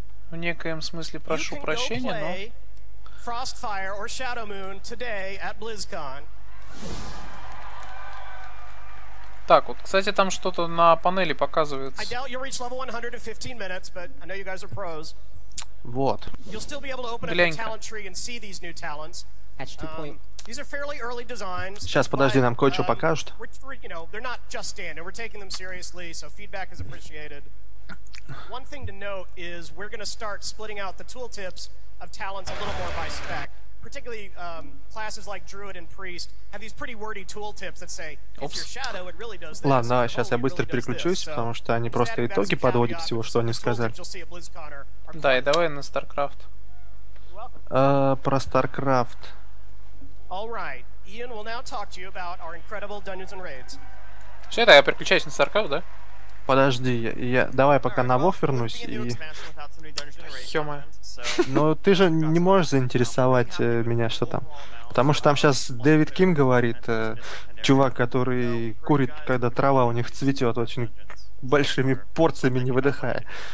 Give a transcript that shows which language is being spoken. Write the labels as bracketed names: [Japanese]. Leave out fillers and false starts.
[Russian] в некоем смысле прошу прощения, но... [English] Frostfire or Shadow Moon today at BlizzCon. [Russian] Так, вот, кстати, там что-то на панели показывается. [English] I doubt you'll reach level 100 in 15 minutes, but I know you guys are pros. [Russian] Вот. [English] You'll still be able to open up the talent tree and see these new talents. These are fairly early designs. [Russian] Сейчас, подожди, нам кое-что покажут. [English] You know, they're not just standard. We're taking them seriously, so feedback is appreciated. One thing to note is we're going to start splitting out the tooltips of talents a little more by spec. Particularly classes like Druid and Priest have these pretty wordy tooltips that say if you're shadow, it really does this. [Russian] Ладно, давай, сейчас я быстро переключусь, потому что они просто итоги подводят всего, что они сказали. Да, и давай на StarCraft. Про StarCraft. [English] All right. Ian will now talk to you about our incredible Dungeons and Raids. [Russian] Все, да, я переключаюсь на StarCraft, да? Подожди, я давай пока на WoW вернусь и... Ё-моё. Ну, ты же не можешь заинтересовать меня, что там. Потому что там сейчас Дэвид Ким говорит, чувак, который курит, когда трава у них цветет, очень большими порциями не выдыхая.